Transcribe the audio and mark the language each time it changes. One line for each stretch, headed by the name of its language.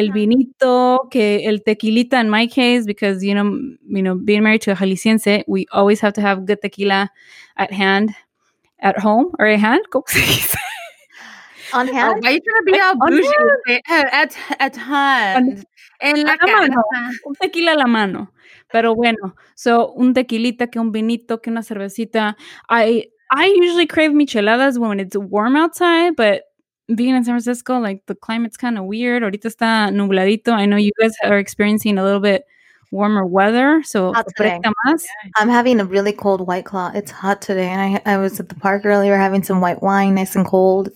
Spanish: El vinito, que el tequilita
English: in my case, because, you know, being married to a Jalisciense, we always have to have good tequila at hand, at home, or at hand. On hand? Oh, why are you trying to be all bougie? At hand.
Spanish: En la mano, un tequila a la mano, pero bueno, so un tequilita, que un vinito, que una cervecita.
English: I usually crave micheladas when it's warm outside, but being in San Francisco, like the climate's kind of weird.
Spanish: Ahorita está nubladito.
English: I know you guys are experiencing a little bit warmer weather, so
Spanish: fresca más.
English: I'm having a really cold White Claw. It's hot today, and I was at the park earlier having some white wine, nice and cold.